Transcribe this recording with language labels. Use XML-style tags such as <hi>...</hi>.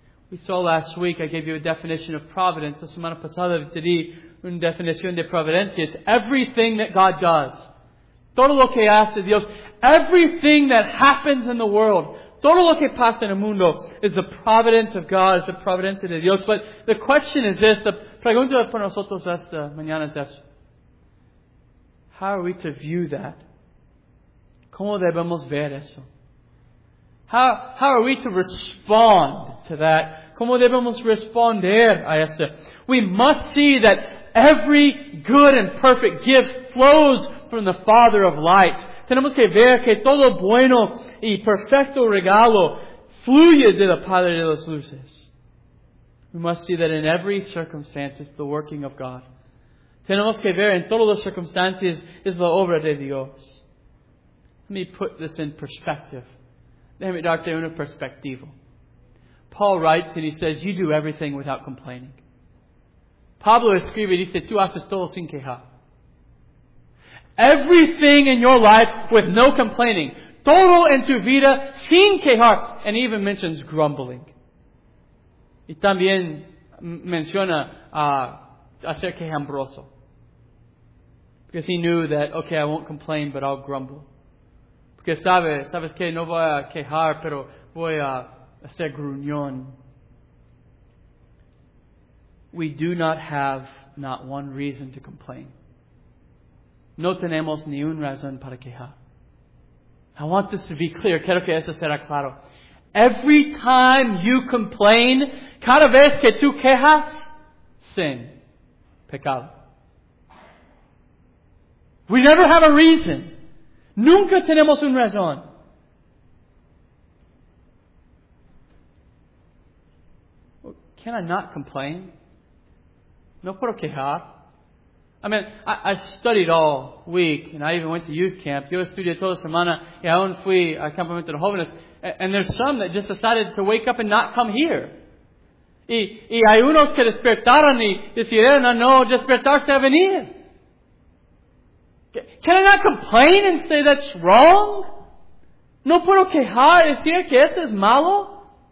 <en>We saw last week, I gave you a definition of providence.</en> <es>La semana pasada te di una definición de providencia.</es> <en>It's everything that God does.</en> <es>Todo lo que hace Dios.</es> <en>Everything that happens in the world.</en> <es>Todo lo que pasa en el mundo</es> <en>is the providence of God, is the</en> <es>providencia de Dios.</es> <en>But the question is this, the</en> <es>pregunta para nosotros esta mañana es esta.</es> <en>How are we to view that?</en> <es>¿Cómo debemos ver eso?</es> <en>How are we to respond to that?</en> <es>¿Cómo debemos responder a eso?</es> <en>We must see that every good and perfect gift flows from the Father of light.</en> <es>Tenemos que ver que todo bueno y perfecto regalo fluye de la Padre de las Luces.</es> <en>We must see that in every circumstance is the working of God.</en> <es>Tenemos que ver en todas las circunstancias es la obra de Dios.</es> <en>Let me put this in perspective.</en> <es>Déjame darte una perspectiva.</es> <en>Paul writes and he says, you do everything without complaining.</en> <es>Pablo escribe y dice, tú haces todo sin queja.</es> <en>Everything in your life with no complaining.</en> <es>Todo en tu vida sin quejar.</es> <en>And he even mentions grumbling.</en> <es>Y también menciona hacer quejambroso.</es> <en>Because he knew that, okay, I won't complain, but I'll grumble.</en> <es>Porque sabes que no voy a quejar, pero voy a hacer gruñón.</es> <en>We do not have not one reason to complain.</en> <es>No tenemos ni un razón para quejar.</es> <en>I want this to be clear.</en> <es>Quiero que esto sea claro.</es> <en>Every time you complain,</en> <es>cada vez que tú quejas,</es> <en>sin. Pecado. We never have a reason.</en> <es>Nunca tenemos un razón.</es> <en>Can I not complain?</en> <es>No puedo quejar.</es> <en>I mean, I studied all week, and I even went to youth camp.</en> <es>Yo estudié toda semana, y aún fui a campamento de jóvenes.</es> <en>And there's some that just decided to wake up and not come here.</en> <es>Y hay unos que despertaron y decidieron no despertarse a venir.</es> <en>Can I not complain and say that's wrong?</en> <es>No puedo quejar y decir que eso es malo.</es>